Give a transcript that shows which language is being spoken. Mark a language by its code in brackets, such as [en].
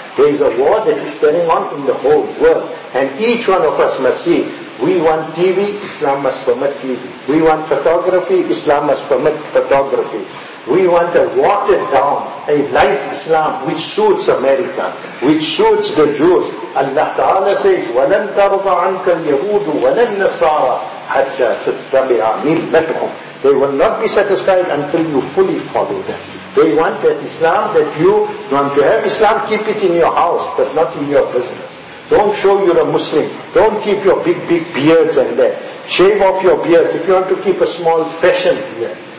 [en] There is a war that is going on in the whole world. And each one of us must see, we want TV, Islam must permit TV. We want photography, Islam must permit photography. We want a watered down, a light Islam which suits America, which suits the Jews. Allah Ta'ala says, [ar] وَلَمْ تَرْضَ عَنْكَ الْيَهُودُ وَلَا النَّصَارَى حَتَّى تَتَّبِعَ مِلَّتْهُمْ. [en] They will not be satisfied until you fully follow them. They want that Islam that you want to have Islam, keep it in your house, but not in your business. Don't show you're a Muslim. Don't keep your big beards and that. Shave off your beards if you want to keep a small fashion beard.